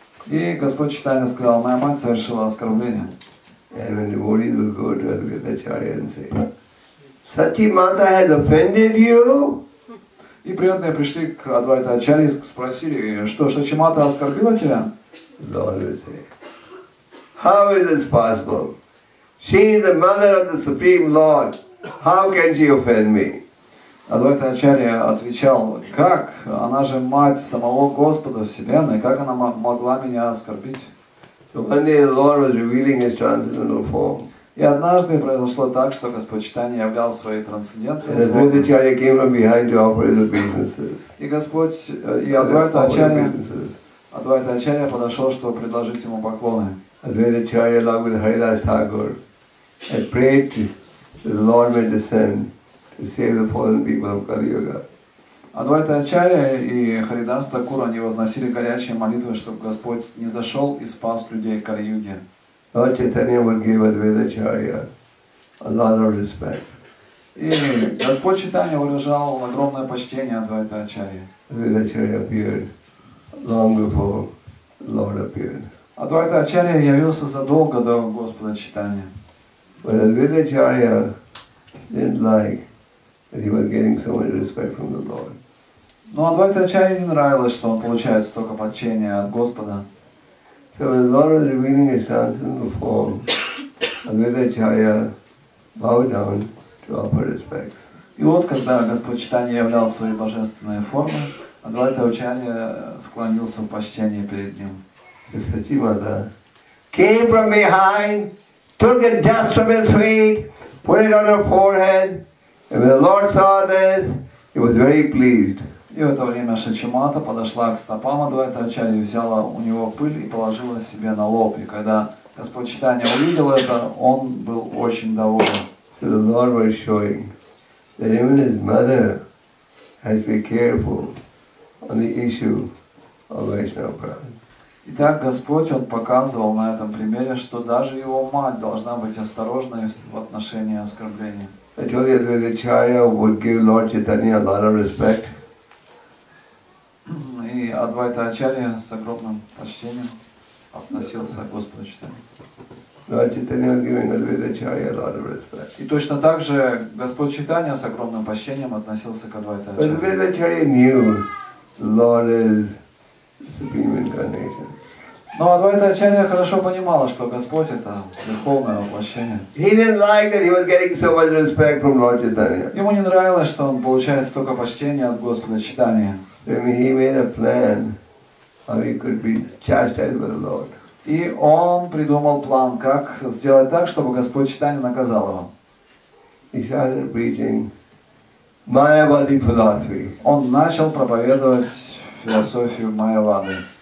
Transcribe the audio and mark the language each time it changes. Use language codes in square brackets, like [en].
[ru] И Господь Читания сказал, моя мать совершила оскорбление. [en] And when the devotees will go to Advaita Acharya and say, Sati Mata has offended you? [ru] И преданные пришли к Адвайта Ачарье и спросили, что Сати Мата оскорбила тебя? [en] Lord will say, How is this possible? She is the mother of the Supreme Lord. How can she offend me? [ru] Адвайта Ачарья отвечал, как? Она же мать самого Господа Вселенной. Как она могла меня оскорбить? [en] So one day the Lord was revealing his transcendental form. [ru] И однажды произошло так, что Господь Читания являл свои трансцендентные формы. [en] And Адвайта Ачарья came from behind to offer his obeisances. [ru] И Господь, и Адвайта Ачарья подошел, чтобы предложить ему поклоны. [en] Advaita Acharya along with Haridas Thakur had prayed that the Lord may descend to save the fallen people of Kali Yuga. [ru] Advaita Acharya и Haridas Thakur, они возносили горячие молитвы, чтобы Господь не зашел и спас людей Кали Юги. [en] Lord Chaitanya would give Advaita Acharya a lot of respect. [ru] И Господь Читания выражал огромное почтение Advaita Acharya. [en] Advaita Acharya appeared long before the Lord appeared. [ru] Адвайта Ачарья явился задолго до Господа Читания. [en] But Advaita Acharya didn't like that he was getting so much respect from the Lord. [ru] Но Адвайта Ачарья не нравилось, что он получает столько почтения от Господа. [en] So when the Lord was revealing his transcendental form, Advaita Acharya bowed down to offer respect. [ru] И вот когда Господь Читания являл свои божественные формы, Адвайта Ачарья склонился в почтении перед ним. [en] Сати Мата came from behind, took the dust from his feet, put it on her forehead, and when the Lord saw this, he was very pleased. [ru] И в это время Сати Мата подошла к стопам Адвайта Ачарьи, взяла у него пыль и положила себе на лоб. И когда Господь Читания увидел это, он был очень доволен. [en] So the Lord was showing that even his mother has to be careful on the issue of Vaishnava pride. [ru] Итак, Господь, Он показывал на этом примере, что даже его мать должна быть осторожной в отношении оскорбления. [en] I told you that the Chaya would give Lord Chaitanya a lot of respect. [ru] И Адвайта Ачарья с огромным почтением относился к Господу Читания. [en] Lord Chaitanya was giving Advaita Acharya a lot of respect. [ru] И точно так же Господь Читания с огромным почтением относился к Адвайта Ачарья. [en] But Advaita Acharya knew Lord is Supreme Incarnation. [ru] Но Адвайта Ачарья хорошо понимала, что Господь это верховное воплощение. [en] He didn't like that he was getting so much respect from Lord Chaitanya. [ru] Ему не нравилось, что он получает столько почтения от Господа Читания. [en] Then he made a plan how he could be chastised by the Lord. [ru] И он придумал план, как сделать так, чтобы Господь Читания наказал его. [en] He started preaching Mayavadi philosophy. [ru] Он начал проповедовать философию Майявады.